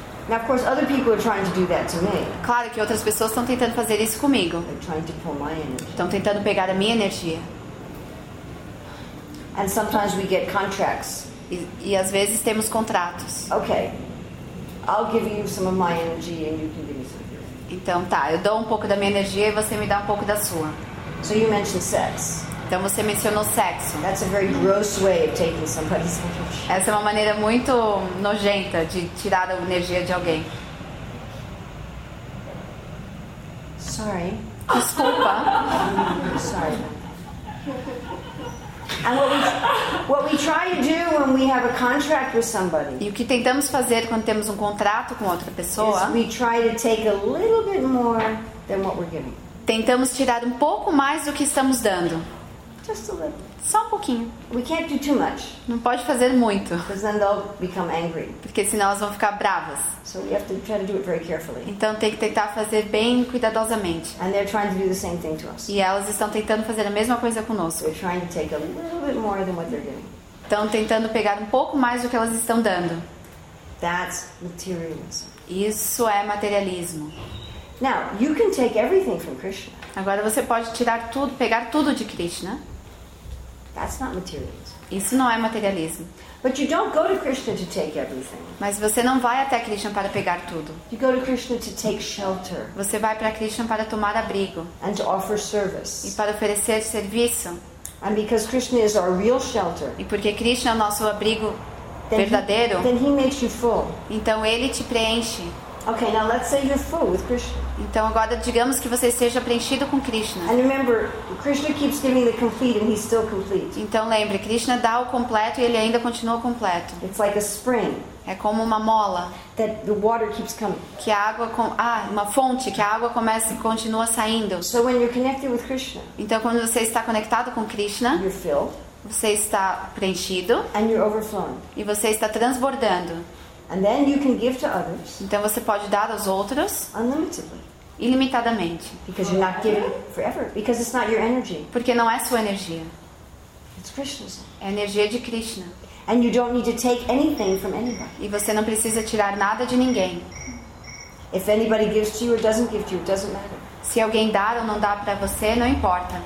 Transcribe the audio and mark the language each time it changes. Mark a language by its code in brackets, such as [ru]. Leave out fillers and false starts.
[en] Now, of course, other people are trying to do that to me. [pt] Claro que outras pessoas estão tentando fazer isso comigo. [en] They're trying to pull my energy. [pt] Estão tentando pegar a minha energia. [en] And sometimes we get contracts. [pt] E às vezes temos contratos. [en] Okay. I'll give you some of my energy and you can give me some of yours. [pt] Então tá, eu dou um pouco da minha energia e você me dá um pouco da sua. [en] So you mentioned sex. [pt] Então você mencionou sexo. [en] That's a very gross way of taking somebody's energy. [pt] Essa é uma maneira muito nojenta de tirar a energia de alguém. [en] Sorry. [pt] Desculpa. [en] Sorry. And what we try to do when we have a contract with somebody. [pt] E o que tentamos fazer quando temos um contrato com outra pessoa? [en] Is we try to take a little bit more than what we're giving. [pt] Tentamos tirar um pouco mais do que estamos dando. [en] Just a little. [pt] Só um pouquinho. [en] We can't do too much. [pt] Não pode fazer muito. [en] Because then they'll become angry. [pt] Porque senão elas vão ficar bravas. [en] So we have to try to do it very carefully. [pt] Então tem que tentar fazer bem cuidadosamente. [en] And they're trying to do the same thing to us. [pt] E elas estão tentando fazer a mesma coisa conosco. [en] They're trying to take a little bit more than what they're giving. [pt] Estão tentando pegar um pouco mais do que elas estão dando. [en] That's materialism. [pt] Isso é materialismo. [en] Now, you can take everything from Krishna. [pt] Agora você pode tirar tudo, pegar tudo de Krishna. [en] That's not materialism. [pt] Isso não é materialismo. [en] But you don't go to Krishna to take everything. [pt] Mas você não vai até Krishna para pegar tudo. [en] You go to Krishna to take shelter. [pt] Você vai para Krishna para tomar abrigo. [en] And to offer service. [pt] E para oferecer serviço. [en] And because Krishna is our real shelter. [pt] E porque Krishna é o nosso abrigo verdadeiro. [en] Then he makes you full. [pt] Então ele te preenche. [en] Okay, now let's say you're full with Krishna. [pt] Então agora digamos que você seja preenchido com Krishna. [en] And remember, Krishna keeps giving the complete and he's still complete. [pt] Então lembre, Krishna dá o completo e ele ainda continua completo. [en] It's like a spring. [pt] É como uma mola. [en] That the water keeps coming. [pt] Que a água uma fonte que a água começa e continua saindo. [en] So when you're connected with Krishna. [pt] Então quando você está conectado com Krishna, [en] you're filled. [pt] Você está preenchido. [en] And you're overflowing. [pt] E você está transbordando. [en] And then you can give to others. [pt] Então você pode dar aos outros. [en] Unlimitedly. [pt] Ilimitadamente. [en] Because you're not giving forever. Because it's not your energy. [pt] Porque não é sua energia. [en] It's Krishna's. [pt] É energia de Krishna. [en] And you don't need to take anything from anybody. [pt] E você não precisa tirar nada de ninguém. [en] If anybody gives to you or doesn't give to you, it doesn't matter. [pt] Se alguém dá ou não dá para você, não importa.